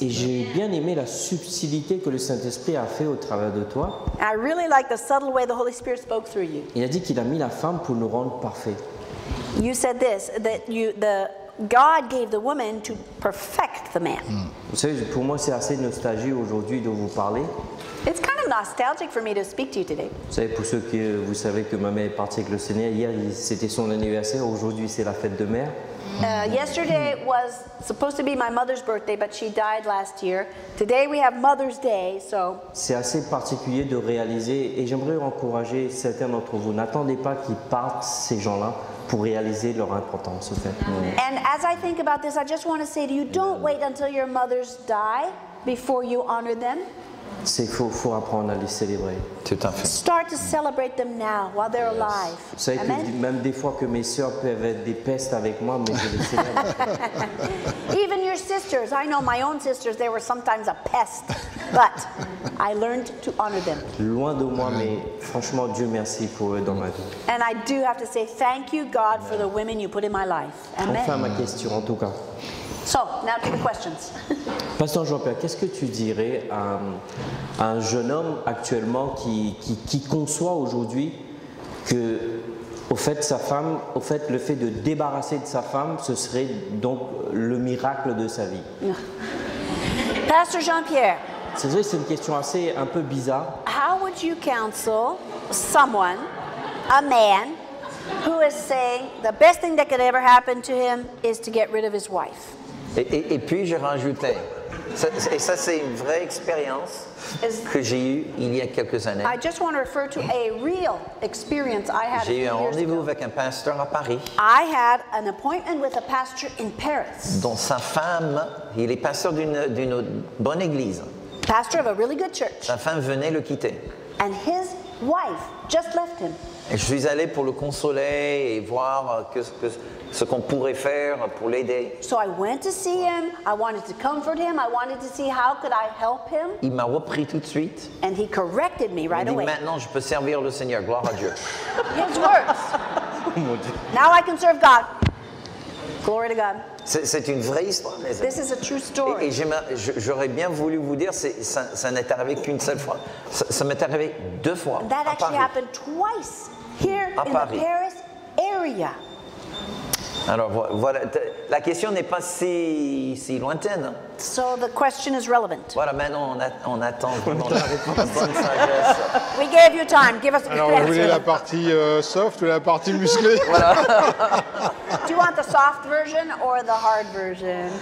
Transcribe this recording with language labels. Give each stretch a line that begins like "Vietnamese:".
French: Et j'ai bien aimé la subtilité que le Saint-Esprit a fait au travers de toi.
English: I really like the subtle way the Holy Spirit spoke through you.
French: Il a dit qu'il a mis la femme pour nous rendre parfaits.
English: You said this, that God gave the woman to perfect the man.
French: Vous savez, pour moi, c'est assez nostalgique aujourd'hui de vous parler.
English: It's kind of nostalgic for me to speak to you today.
French: Vous savez, pour ceux qui, vous savez que ma mère est partie avec le Seigneur, hier, c'était son anniversaire, aujourd'hui, c'est la fête de mère.
English: Yesterday was supposed to be my mother's birthday, but she died last year. Today we have Mother's Day, so.
French: C'est assez particulier de réaliser, et j'aimerais encourager certains d'entre vous, n'attendez pas qu'ils partent, ces gens-là, pour réaliser leur importance au fait.
English: And as I think about this, I just want to say to you, don't wait until your mothers die before you honor them.
French: C'est faut apprendre à les célébrer. Tout à fait.
English: Start to celebrate them now while they're alive.
French: Vous savez que même des fois que mes sœurs peuvent être des pestes avec moi, mais je les célèbre.
English: Even your sisters, I know my own sisters, they were sometimes a pest, but I learned to honor them.
French: Loin de moi, mais franchement, Dieu merci pour eux dans ma vie.
English: And I do have to say thank you, God, for the women you put in my life. Amen.
French: Enfin, ma question, en tout cas.
English: So, now to the questions.
French: Pasteur Jean-Pierre, qu'est-ce que tu dirais à un jeune homme actuellement qui conçoit aujourd'hui que, au fait, sa femme, au fait, le fait de débarrasser de sa femme, ce serait donc le miracle de sa vie? Pasteur Jean-Pierre, C'est vrai, c'est une question assez un peu bizarre.
English: How would you counsel someone, a man, who is saying the best thing that could ever happen to him is to get rid of his wife?
French: Et puis j'ai rajouté, et ça c'est une vraie expérience que j'ai eue il y a quelques années.
English: I just want to refer to a real experience I had.
French: J'ai eu un rendez-vous avec un pasteur à Paris.
English: I had an appointment with a pastor in Paris.
French: Dont sa femme, il est pasteur d'une bonne église.
English: Pastor of a really good church.
French: Sa femme venait le quitter.
English: And his wife just left him.
French: Et je suis allé pour le consoler et voir ce qu'on pourrait faire pour l'aider.
English: So I went to see him. I wanted to comfort him. I wanted to see how could I help him.
French: Il m'a repris tout de suite.
English: And he corrected me right away.
French: Il dit maintenant je peux servir le Seigneur. Gloire à Dieu.
English: His words. Now I can serve God. Glory to God.
French: C'est une vraie histoire.
English: This is a true story.
French: Et j'aurais bien voulu vous dire, ça n'est arrivé qu'une seule fois. Ça m'est arrivé deux fois.
English: That à actually Happened twice here à in Paris. The Paris area.
French: Alors voilà, la question n'est pas si lointaine. Hein.
English: So the question is relevant.
French: Voilà, maintenant on attend vraiment la réponse. We gave you time. Give us. Alors vous voulez la partie soft ou la partie musclée? Voilà.
English: Do you want the soft version or the hard version?